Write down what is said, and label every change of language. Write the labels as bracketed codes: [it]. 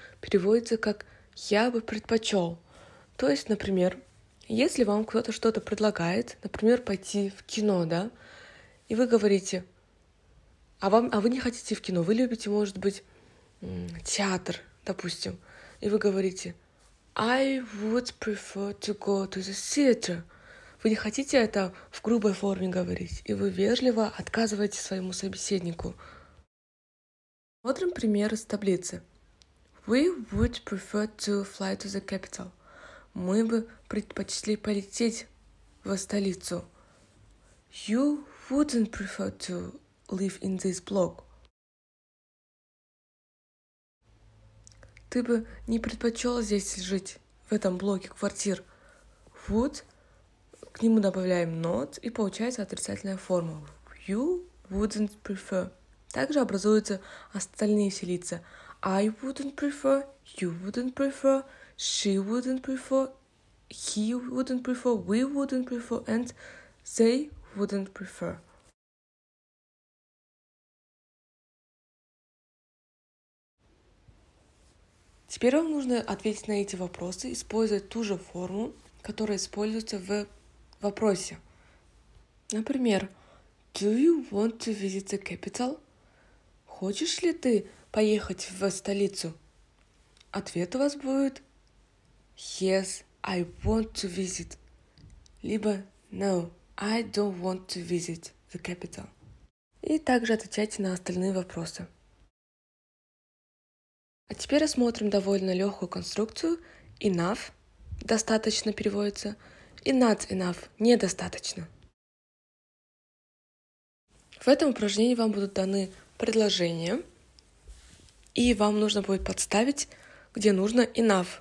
[ru] Переводится как «я бы предпочел». То есть, например, если вам кто-то что-то предлагает, например, пойти в кино, да, и вы говорите, а вы не хотите в кино, вы любите, может быть, театр, допустим, и вы говорите [en] I would prefer to go to the theater. [ru] Вы не хотите это в грубой форме говорить, и вы вежливо отказываете своему собеседнику. Смотрим пример из таблицы. [en] We would prefer to fly to the capital. [ru] Мы бы предпочли полететь в столицу. [en] You wouldn't prefer to live in this block. [ru] Ты бы не предпочел здесь жить, в этом блоке квартир. Would, к нему добавляем not, и получается отрицательная форма. [en] You wouldn't prefer. [ru] Также образуются остальные все лица. [en] I wouldn't prefer, you wouldn't prefer, she wouldn't prefer, he wouldn't prefer, we wouldn't prefer, and they wouldn't prefer. [ru] Теперь вам нужно ответить на эти вопросы, используя ту же форму, которая используется в вопросе. Например, [en] Do you want to visit the capital? [ru] Хочешь ли ты поехать в столицу? Ответ у вас будет [en] Yes, I want to visit. [ru] Либо [en] No, I don't want to visit the capital. [ru] И также отвечайте на остальные вопросы. А теперь рассмотрим довольно легкую конструкцию. Enough – достаточно переводится. И not enough – недостаточно. В этом упражнении вам будут даны предложения. И вам нужно будет подставить, где нужно enough.